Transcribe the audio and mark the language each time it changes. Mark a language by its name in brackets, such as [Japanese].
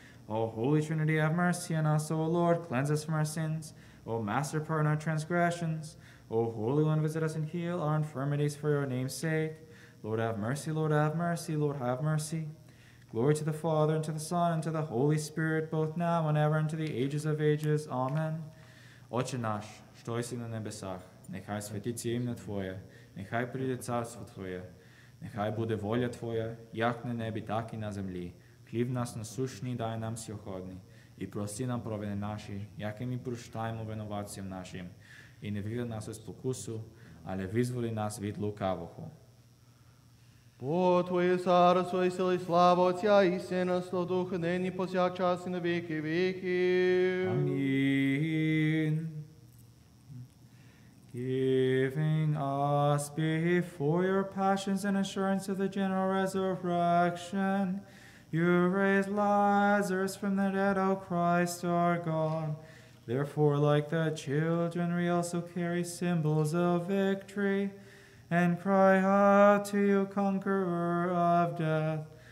[English] O Holy Trinity, have mercy on us. O Lord, cleanse us from our sins. O Master, pardon our transgressions. O Holy One, visit us and heal our infirmities for your name's sake. Lord, have mercy. Lord, have mercy. Lord, have mercy. Glory to the Father, and to the Son, and to the Holy Spirit, both now and ever, and to the ages of ages. Amen. [Ukrainian] Отче наш, що єси на небесах, нехай святиться ім'я Твоє, нехай прийде царство Твоє, нехай буде воля Твоя, як на небі, так і на землі. Хліб нас насущний, дай нам сьогодні, і прости нам провини наші, як і ми прощаємо винуватцям нашим, і не вивели нас із покусу, але визволи нас від лукавого. Бо Твоє царство і сила, і слава Отця і Сина, Святого Духа, нині, повсякчас, і на віки віки. Амінь. [English] giving us before your passions an assurance of the general resurrection. You raised Lazarus from the dead, O Christ our God. Therefore, like the children, we also carry symbols of victory and cry out to you, conqueror of death.